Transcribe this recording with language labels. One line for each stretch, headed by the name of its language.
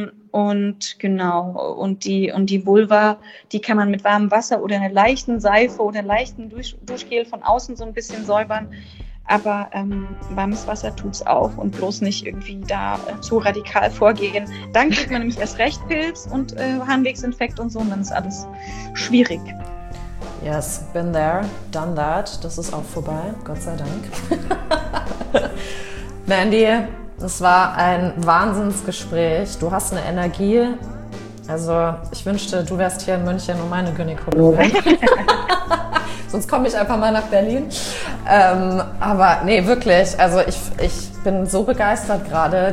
German: Und genau, und die Vulva, die kann man mit warmem Wasser oder einer leichten Seife oder leichten Duschgel von außen so ein bisschen säubern. Aber warmes Wasser tut es auch, und bloß nicht irgendwie da zu radikal vorgehen. Dann kriegt man nämlich erst recht Pilz und Harnwegsinfekt und so, und dann ist alles schwierig.
English: Yes, been there, done that.
German: Das ist auch vorbei, Gott sei Dank. Mandy, es war ein Wahnsinnsgespräch. Du hast eine Energie. Also ich wünschte, du wärst hier in München und meine Gynäkologin. Sonst komme ich einfach mal nach Berlin. Aber nee, wirklich, also ich bin so begeistert gerade.